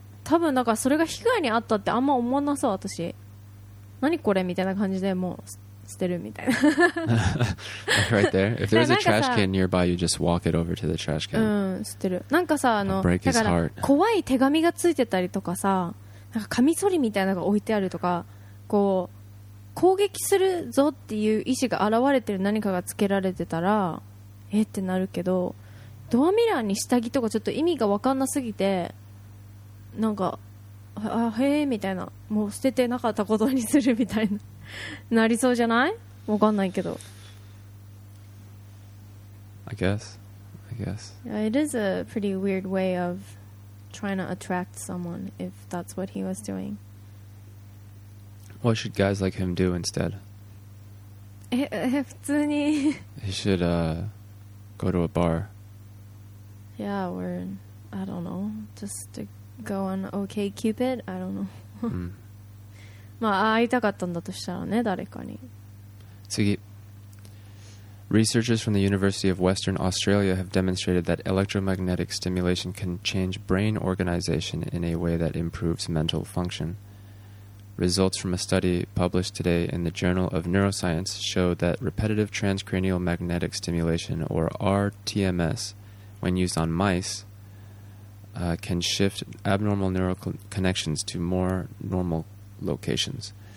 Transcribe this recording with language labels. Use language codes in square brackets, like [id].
[ja] 多分なんかそれが被害にあったってあんま思わなそう私何これみたいな感じでもう捨てるみたいな [en] Right there If there's a trash can nearby You just walk it over to the trash can [ja] うん捨てるなんかさあの [en] Break his heart [ja] 怖い手紙がついてたりとかさなんかカミソリみたいなのが置いてあるとかこう攻撃するぞっていう意思が現れてる何かがつけられてたらえってなるけどドアミラーに下着とかちょっと意味が分かんなすぎてなんかあへーみたいなもう捨ててなかったことにするみたいななりそうじゃない？分かんないけど [en] I guess. Yeah, it is a pretty weird way of trying to attract someone, if that's what he was doing. What should guys like him do instead? He should go to a bar. Yeah, or, I don't know, just to go on OKCupid? I don't know. [ja] まあ、会いたかったんだとしたらね、誰かに。次。 [en] Researchers from the University of Western Australia have demonstrated that electromagnetic stimulation can change brain organization in a way that improves mental function. Results from a study published today in the Journal of Neuroscience show that repetitive transcranial magnetic stimulation, or RTMS, when used on mice, can shift abnormal neural connections to more normal locations.